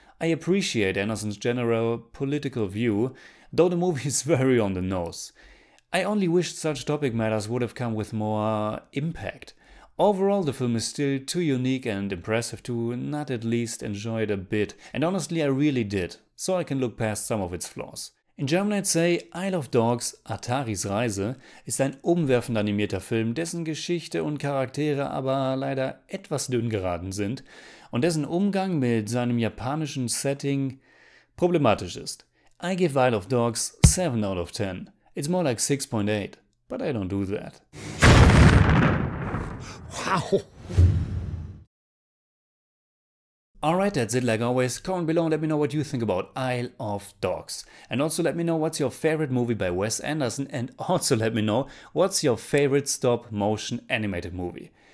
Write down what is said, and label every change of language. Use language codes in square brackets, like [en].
[en] I appreciate Anderson's general political view, though the movie is very on the nose. I only wish such topic matters would have come with more impact. Overall, the film is still too unique and impressive to not at least enjoy it a bit, and honestly I really did, so I can look past some of its flaws. In German I'd say [de] Isle of Dogs, Ataris Reise, ist ein umwerfend animierter Film, dessen Geschichte und Charaktere aber leider etwas dünn geraten sind und dessen Umgang mit seinem japanischen Setting problematisch ist. [en] I give Isle of Dogs 7 out of 10. It's more like 6.8, but I don't do that. Wow! Alright, that's it. Like always, comment below and let me know what you think about Isle of Dogs. And also let me know what's your favorite movie by Wes Anderson, and also let me know what's your favorite stop-motion animated movie.